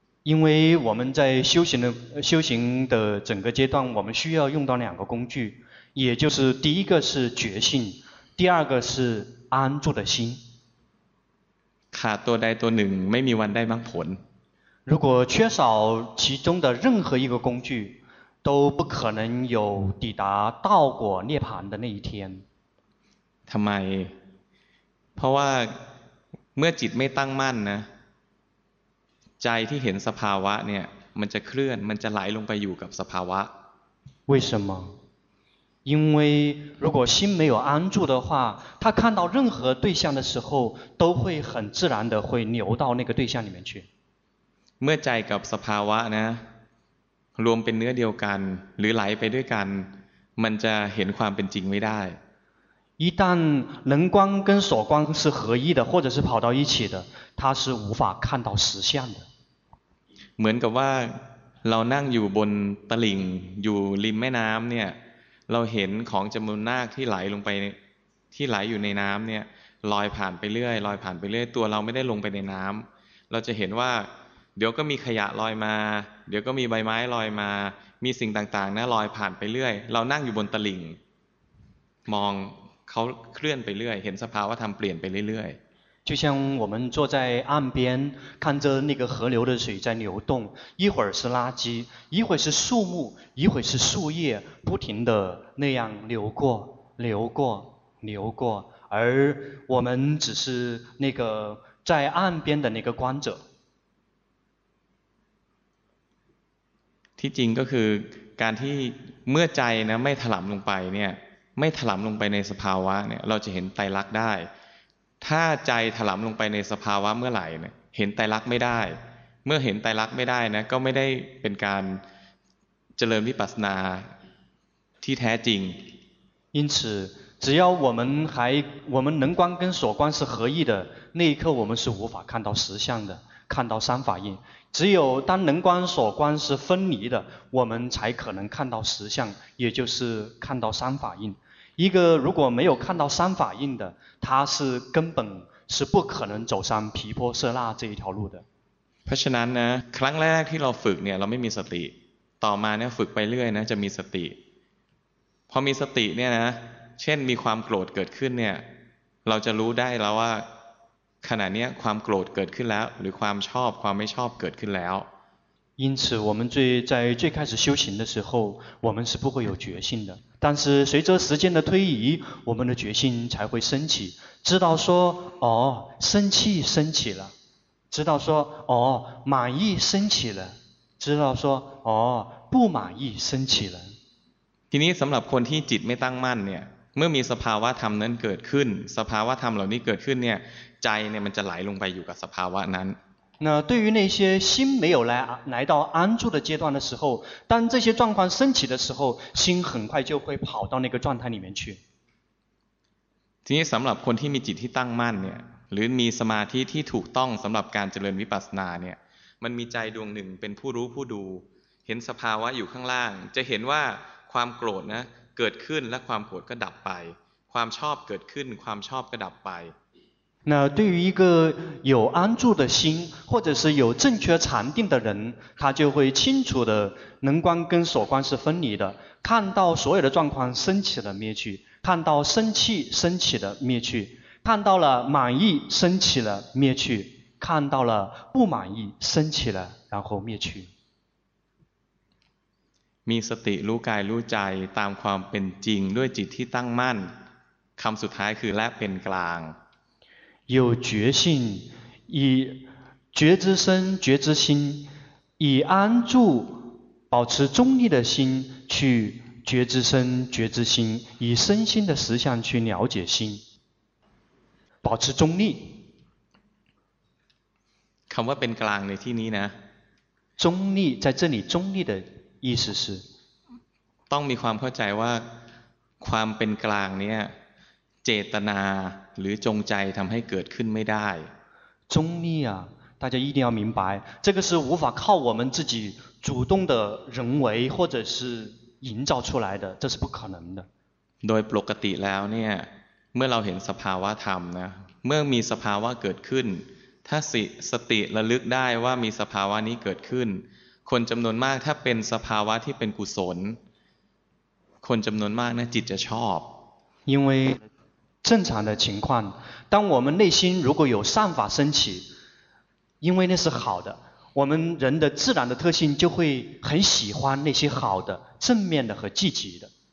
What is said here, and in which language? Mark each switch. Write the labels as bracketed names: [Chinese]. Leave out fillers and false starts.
[Chinese] 因为我们在修行的整个阶段我们需要用到两个工具也就是第一个是觉性第二个是安住的心 [Thai] ขาดตัวใดตัวหนึ่งไม่มีวันได้มรรคผล [Chinese] 如果缺少其中的任何一个工具都不可能有抵达道果涅槃的那一天 [Thai] ทำไมเพราะว่าเมื่อจิตไม่ตั้งมั่นนะใจที่เห็นสภาวะเนี่ยมันจะเคลื่อนมันจะไหลลงไปอยู่กับสภาวะ [Chinese] 为什么因为如果心没有安住的话他看到任何对象的时候都会很自然的会流到那个对象里面去 [Thai] เมื่อใจกับสภาวะนะรวมเป็นเนื้อเดียวกันหรือไหลไปด้วยกันมันจะเห็นความเป็นจริงไม่ได้ [Chinese] 一旦能观跟所观是合一的或者是跑到一起的它是无法看到实相的 [Thai] เหมือนกับว่าเรานั่งอยู่บนตลิ่งอยู่ริมแม่น้ำเนี่ยเราเห็นของจำนวนมากที่ไหลลงไปที่ไหลอยู่ในน้ำเนี่ยลอยผ่านไปเรื่อยลอยผ่านไปเรื่อยตัวเราไม่ได้ลงไปในน้ำเราจะเห็นว่าเดี๋ยวก็มีขยะลอยมาเดี๋ยวก็มีใบไม้ลอยมามีสิ่งต่างๆนะลอยผ่านไปเรื่อยเรานั่งอยู่บนตลิ่งมองเขาเคลื่อนไปเรื่อยเห็นสภาวะธรรมเปลี่ยนไปเรื่อย [Chinese] ๆ就像我们坐在岸边看着那个河流的水在流动一会儿是垃圾一会儿是树木一会儿是树叶不停的那样流过流过流过而我们只是那个在岸边的那个观者 [Thai] ที่จริงก็คือการที่เมื่อใจนะไม่ถลำลงไปเนี่ยไม่ถลำลงไปในสภาวะเนี่ยเราจะเห็นไตรลักษณ์ได้ถ้าใจถลำลงไปในสภาวะเมื่อไหร่เนี่ยเห็นไตรลักษณ์ไม่ได้เมื่อเห็นไตรลักษณ์ไม่ได้นะก็ไม่ได้เป็นการเจริญวิปัสสนาที่แท้จริง [Chinese] 因此只要我们能观跟所观是合一的那一刻我们是无法看到实相的看到三法印只有当能观所观是分离的我们才可能看到实相也就是看到三法印一个如果没有看到三法印的他是根本是不可能走上毗婆舍那这一条路的 [Thai] เพราะฉะนั้นนะครั้งแรกที่เราฝึกเนี่ยเราไม่มีสติต่อมาเนี่ยฝึกไปเรื่อยนะจะมีสติพอมีสติเนี่ยนะเช่นมีความโกรธเกิดขึ้นเนี่ยเราจะรู้ได้แล้วว่าขณะนี้ความโกรธเกิดขึ้นแล้วหรือความชอบความไม่ชอบเกิดขึ้นแล้ว [Chinese] 因此我们在最开始修行的时候我们是不会有觉性的但是随着时间的推移我们的觉性才会升起知道说哦生气升起了知道说哦，满意升起了，知道说哦，不满意升起了。 [Thai] ทีนี้สำหรับคนที่จิตไม่ตั้งมั่นเนี่ยเมื่อมีสภาวะธรรมนั้นเกิดขึ้นสภาวะธรรมเหล่านี้เกิดขึ้นเนี่ยใจเนี่ยมันจะไหลลงไปอยู่กับสภาวะนั้น [Chinese] 那对于那些心没有来到安住的阶段的时候，当这些状况升起的时候，心很快就会跑到那个状态里面去。 [Thai] ทีนี้สำหรับคนที่มีจิตที่ตั้งมั่นเนี่ยหรือมีสมาธิที่ถูกต้องสำหรับการเจริญวิปัสสนาเนี่ยมันมีใจดวงหนึ่งเป็นผู้รู้ผู้ดูเห็นสภาวะอยู่ข้างล่างจะเห็นว่าความโกรธนะเกิดขึ้นและความโกรธก็ดับไปความชอบเกิดขึ้นความชอบก็ดับไป [Chinese] 那对于一个有安住的心或者是有正确禅定的人他就会清楚的能观跟所观是分离的看到所有的状况升起了灭去看到生气升起了灭去看到了满意升起了灭去看到了不满意升起了然后灭去 [Thai] มีสติรู้กายรู้ใจตามความเป็นจริงด้วยจิตที่ตั้งมั่นคำสุดท้ายคือและเป็นกลาง [Chinese] 有觉性以觉知身觉知心以安住保持中立的心去觉知身觉知心以身心的实相去了解心保持中立 [Thai] คำว่าเป็นกลางในที่นี้นะ [Chinese] 中立在这里中立的意思是 [Thai] ต้องมีความเข้าใจว่าความเป็นกลางเนี่ยเจตนาหรือจงใจทำให้เกิดขึ้นไม่ได้ [Chinese] 中立啊大家一定要明白这个是无法靠我们自己主动的人为或者是营造出来的这是不可能的 [Thai] โดยปกติแล้วเนี่ยเมื่อเราเห็นสภาวะธรรมนะเมื่อมีสภาวะเกิดขึ้นถ้าสติระลึกได้ว่ามีสภาวะนี้เกิดขึ้นคนจำนวนมากถ้าเป็นสภาวะที่เป็นกุศลคนจำนวนมากนะจิตจะชอบ [Chinese] 因为正常的情况当我们内心如果有善法升起因为那是好的我们人的自然的特性就会很喜欢那些好的正面的和积极的